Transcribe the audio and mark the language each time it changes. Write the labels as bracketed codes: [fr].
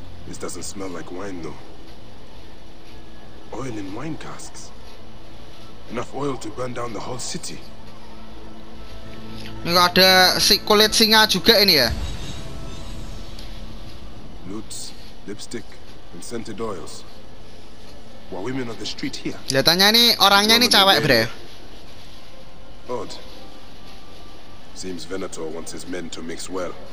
[en] This doesn't smell like wine though. Oil in wine casks. Enough oil to burn down the whole city. [id] Ini gak ada si kulit singa juga ini ya. [en] Loots, lipstick, and scented oils. While women on the street here. [id] Kelihatannya ini orangnya ini cewek bre. [en] Odd. Seems Venator wants his men to mix well.